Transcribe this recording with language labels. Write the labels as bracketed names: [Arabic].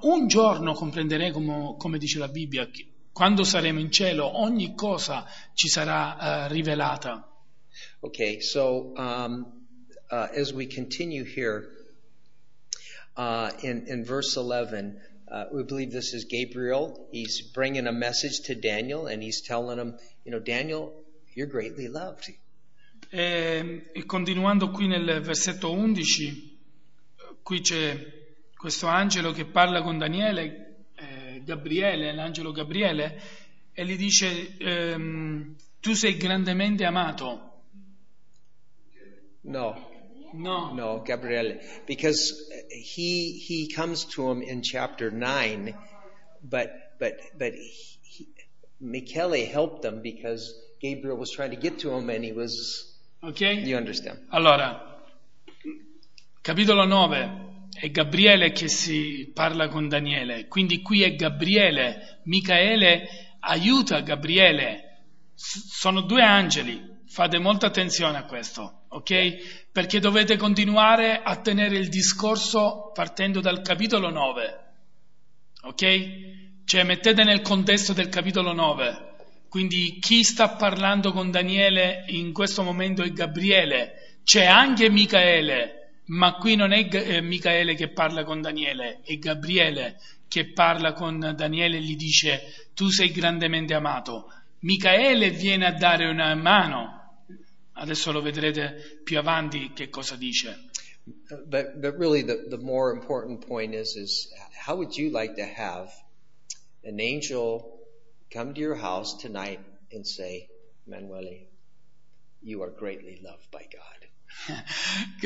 [Italian] Un giorno comprenderemo, come dice la Bibbia, quando saremo in cielo, ogni cosa ci sarà rivelata. [English] Okay, so as we continue here, In verse 11, we believe this is Gabriel. He's bringing a message to Daniel, and he's telling him, you know, Daniel, you're greatly loved. [Italian] E continuando qui nel versetto 11, qui c'è questo angelo che parla con Daniele, Gabriele, l'angelo Gabriele, e gli dice, tu sei grandemente amato. [English] No. No. No, Gabriele, because he comes to him in chapter 9, but he, Michele helped them because Gabriel was trying to get to him and he was... Okay. You understand. [Italian] Allora, capitolo 9, è Gabriele che si parla con Daniele, quindi qui è Gabriele, Michele aiuta Gabriele, sono due angeli, fate molta attenzione a questo, ok? Yeah. Perché dovete continuare a tenere il discorso partendo dal capitolo 9, ok? Cioè mettete nel contesto del capitolo 9. Quindi chi sta parlando con Daniele in questo momento è Gabriele, c'è anche Michele, ma qui non è Michele che parla con Daniele, è Gabriele che parla con Daniele e gli dice tu sei grandemente amato. Michele viene a dare una mano, adesso lo vedrete più avanti che cosa dice. [English] But really the more important point is how would you like to have an angel come to your house tonight and say, Emanuele, you are greatly loved by God.